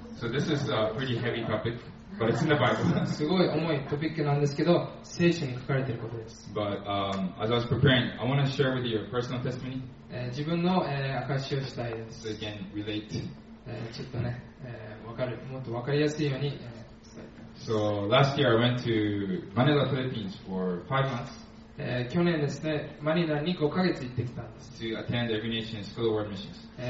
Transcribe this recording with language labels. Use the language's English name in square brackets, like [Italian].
[English] So this is a pretty heavy topic, but it's in the Bible. [Japanese] すごい重いトピックなんですけど、聖書に書かれていることです。 [English] But as I was preparing, I want to share with you a personal testimony. [Japanese] 自分の、証しをしたいです。 [English] So you can relate. [Japanese] ちょっとね、もっとわかりやすいように。 [English] So last year I went to Manila, Philippines for 5 months. [Japanese] 去年ですね、マニラに5ヶ月行ってきたんです。 [English] To attend Every Nation School of World Missions.